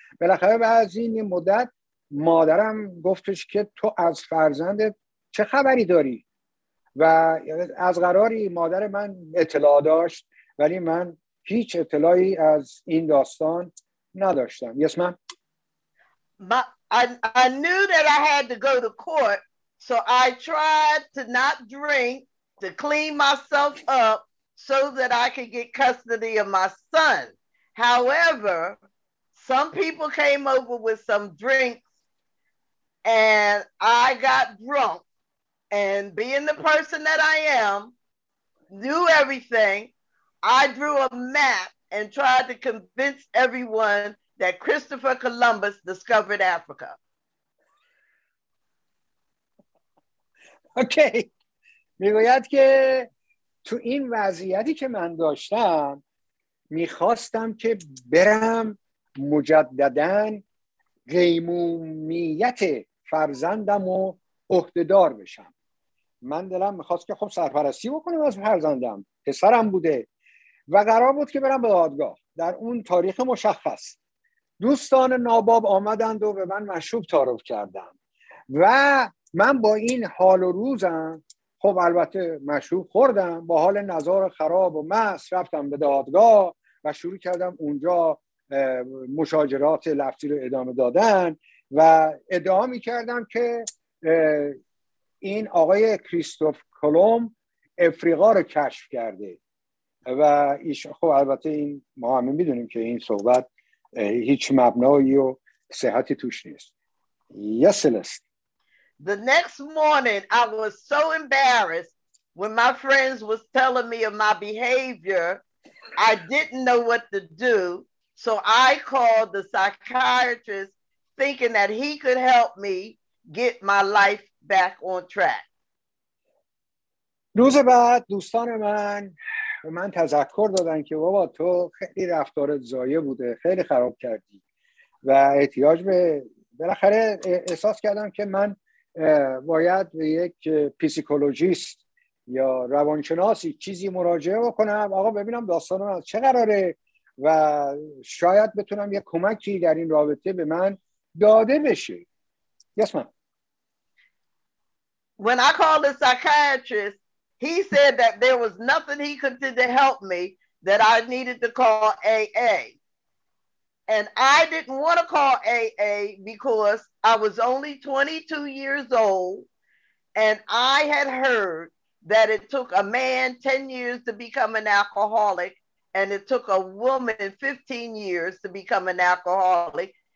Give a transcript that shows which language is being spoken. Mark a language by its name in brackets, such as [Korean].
[Persian] بالاخره بعد از این مدت مادرم گفتش که تو از فرزندت چه خبری داری؟ و از قراری مادر من اطلاع داشت ولی من هیچ اطلاعی از این داستان نداشتم. [English] Yes, ma'am. I knew that I had to go to court, so I tried to not drink to clean myself up so that I could get custody of my son. However, some people came over with some drink and I got drunk, and being the person that I am, knew everything, I drew a map and tried to convince everyone that Christopher Columbus discovered Africa. Okay. [Persian] میگوید که تو این وضعیتی که من داشتم میخواستم که برم مجددن قیمومیت فرزندم رو عهده‌دار بشم. من دلم میخواست که خب سرپرستی بکنم از فرزندم، پسرم بوده و قرار بود که برم به دادگاه در اون تاریخ مشخص. دوستان ناباب آمدند و به من مشروب تعارف کردند و من با این حال و روزم، خب البته مشروب خوردم، با حال نزار خراب و مست رفتم به دادگاه و شروع کردم اونجا مشاجرات لفظی رو ادامه دادن و ادعا می کردم که این آقای کریستوف کولوم افریقا رو کشف کرده و خب البته این ما همه می دونیم که این صحبت هیچ مبنایی و صحتی توش نیست. [English] Yes, Celeste. The next morning I was so embarrassed when my friends was telling me of my behavior. I didn't know what to do, so I called the psychiatrist thinking that he could help me get my life back on track. [Persian] روز بعد دوستان من من تذکر دادن که بابا تو خیلی رفتارت زایه بوده، خیلی خراب کردی و احتیاج به، بالاخره احساس کردم که من باید به یک پسیکولوژیست یا روانشناسی چیزی مراجعه بکنم، آقا ببینم داستان من چه قراره و شاید بتونم یک کمکی در این رابطه به من داده بشه. [English] Yes, ma'am. When I called the psychiatrist, he said that there was nothing he could do to help me, that I needed to call AA. And I didn't want to call AA because I was only 22 years old and I had heard that it took a man 10 years to become an alcoholic and it took a woman 15 years to become an alcoholic.